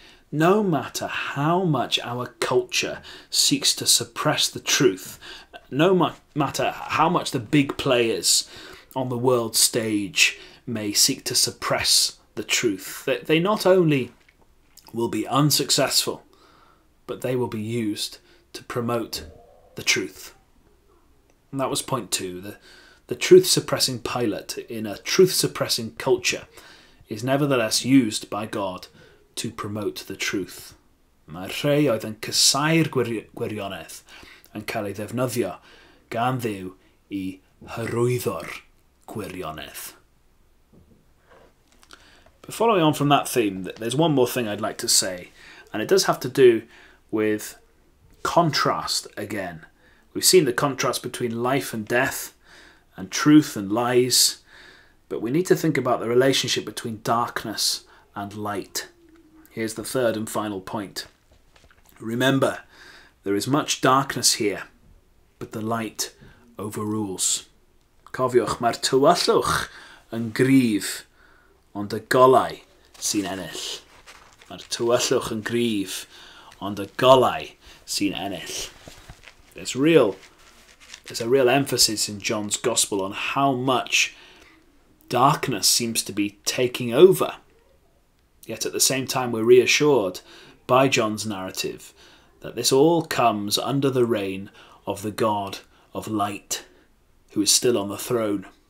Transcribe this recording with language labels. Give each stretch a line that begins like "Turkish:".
English: No matter how much our culture seeks to suppress the truth, no matter how much the big players on the world stage may seek to suppress the truth, they not only will be unsuccessful, but they will be used to promote the truth. And that was point two. The truth-suppressing Pilate in a truth-suppressing culture is nevertheless used by God to promote the truth.
Welsh: Mae'r rhai oedd yn casau'r gwirionedd yn cael ei ddefnyddio gan Dduw i hyrwyddo'r gwirionedd.
English: But following on from that theme, there's one more thing I'd like to say, and it does have to do with contrast again. We've seen the contrast between life and death, and truth and lies, but we need to think about the relationship between darkness and light. Here's the third and final point. Remember, there is much darkness here, but the light overrules.
Welsh: Cofiwch, mae'r tywyllwch yn gryf, ond y golau sy'n ennill. Mae'r tywyllwch yn gryf, ond y golau sy'n ennill.
English: There's a real emphasis in John's Gospel on how much darkness seems to be taking over. Yet at the same time, we're reassured by John's narrative that this all comes under the reign of the God of light, who is still on the throne.